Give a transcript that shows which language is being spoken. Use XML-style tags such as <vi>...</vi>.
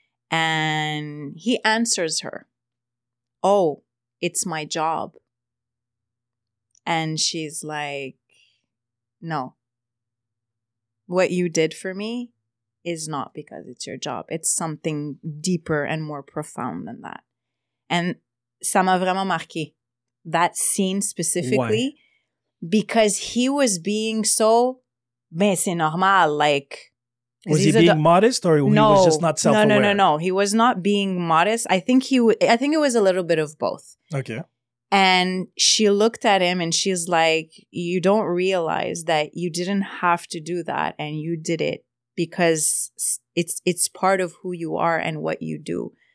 <en>And he answers her, "Oh, it's my job." And she's like, no, what you did for me is not because it's your job. It's something deeper and more profound than that. And</en> <fr>ça m'a vraiment marqué,</fr> <en>that scene specifically. Why? Because he was being so,</en> <fr>mais c'est normal,</fr> <en>like... Was he being modest or he was just not self-aware? No. He was not being modest. I think it was a little bit of both. Okay. And she looked at him and she's like, you don't realize that you didn't have to do that and you did it because it's part of who you are and what you do.</en>